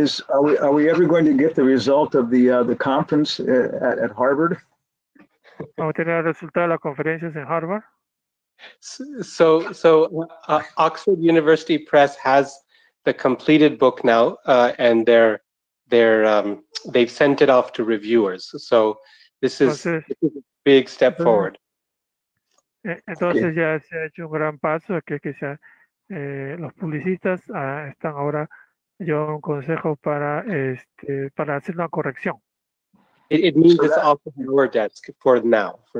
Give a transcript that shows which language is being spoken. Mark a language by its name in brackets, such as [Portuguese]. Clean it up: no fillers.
[English] Are we ever going to get the result of the conference at Harvard? [Spanish] ¿Vamos a tener el resultado de las conferencias en Harvard? [English] So Oxford University Press has the completed book now, and they've sent it off to reviewers. So this is a big step forward. [Spanish] Entonces ya se ha hecho un gran paso, los publicistas están ahora llevando un consejo para hacer una corrección. [English] It means it's off of your desk for now.